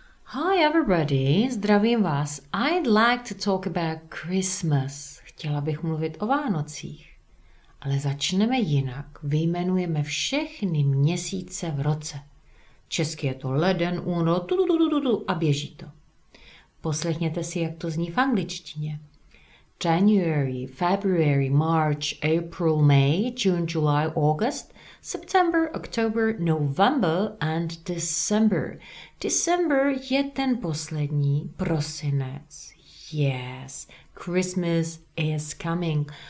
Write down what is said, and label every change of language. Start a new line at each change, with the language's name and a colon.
English: Hi everybody,
Czech: zdravím vás.
English: I'd like to talk about Christmas.
Czech: Chtěla bych mluvit o Vánocích. Ale začneme jinak. Vyjmenujeme všechny měsíce v roce. Česky je to leden, únor, a běží to. Poslechněte si, jak to zní v angličtině.
English: January, February, March, April, May, June, July, August, September, October, November and December.
Czech: December je ten poslední, prosinec.
English: Yes, Christmas is coming.